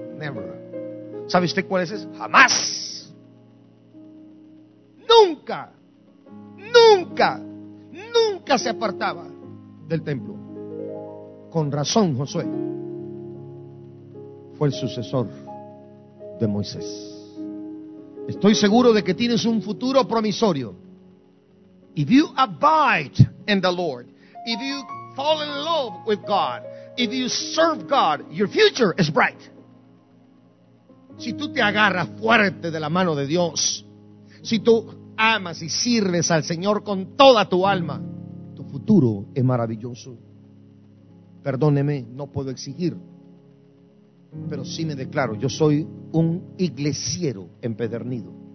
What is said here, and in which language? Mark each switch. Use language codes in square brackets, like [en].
[en] Never. [es] ¿Sabe usted cuál es eso? Jamás. Nunca, nunca, nunca se apartaba del templo. Con razón, Josué fue el sucesor de Moisés. Estoy seguro de que tienes un futuro promisorio. [en] If you abide in the Lord, if you fall in love with God, if you serve God, your future is bright. [es] Si tú te agarras fuerte de la mano de Dios, si tú amas y sirves al Señor con toda tu alma, tu futuro es maravilloso. Perdóneme, no puedo exigir, pero sí me declaro, yo soy un iglesiero empedernido.